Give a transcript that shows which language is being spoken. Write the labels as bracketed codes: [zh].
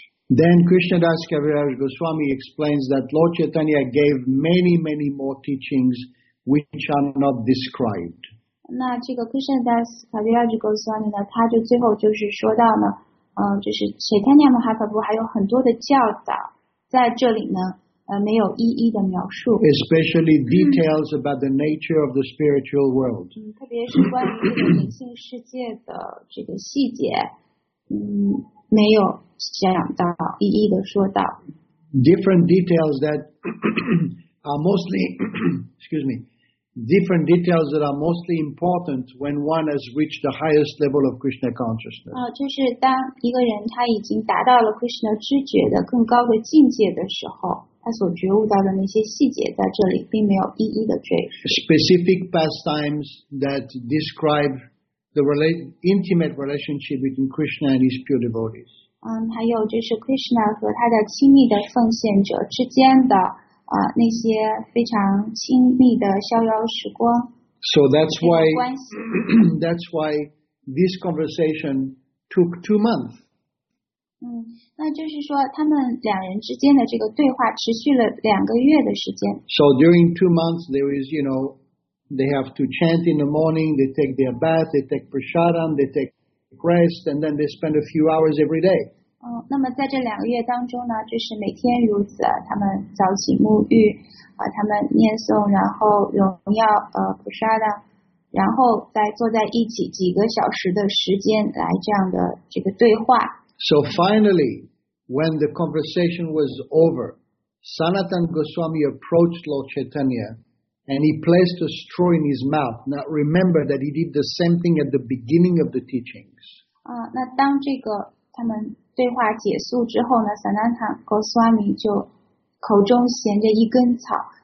[en] Then Krishna Das Kaviraj Goswami explains that Lord Chaitanya gave many, many more teachings which are not described. [zh] 那这个 Krishna Das Kaviraj Goswami 呢，他就最后就是说到呢，就是 Chaitanya Mahaprabhu 还有很多的教导在这里呢，没有一一的描述。 [en] Especially details about the nature of the spiritual world. [zh] 特别是关于这个灵性世界的这个细节，没有。讲到一一的说到 [en] different details that are mostly excuse me different details that are mostly important when one has reached the highest level of Krishna consciousness. [zh] 就是当一个人他已经达到了 Krishna 知觉的更高的境界的时候，他所觉悟到的那些细节在这里并没有一一的赘述。 [en] Specific pastimes that describe the intimate relationship between Krishna and his pure devotees. [zh] 还有就是 Krishna 和他的亲密的奉献者之间的那些非常亲密的逍遥时光。 [en] So that's why this conversation took 2 months. [zh] 那就是说他们两人之间的这个对话持续了2个月的时间。 [en] So during 2 months, there is, you know, they have to chant in the morning, they take their bath, they take prasadam, they take rest, and then they spend a few hours every day. [zh] 那么在这两个月当中呢，就是每天如此，他们早起沐浴，他们念诵，然后荣耀prasadam, 然后再坐在一起几个小时的时间来这样的这个对话。 [en] So finally, when the conversation was over, Sanatan Goswami approached Lord Chaitanya and he placed a straw in his mouth. Now remember that he did the same thing at the beginning of the teachings. [zh] 那当这个他们对话结束之后呢 ,Sanatan Goswami 就口中衔着一根草。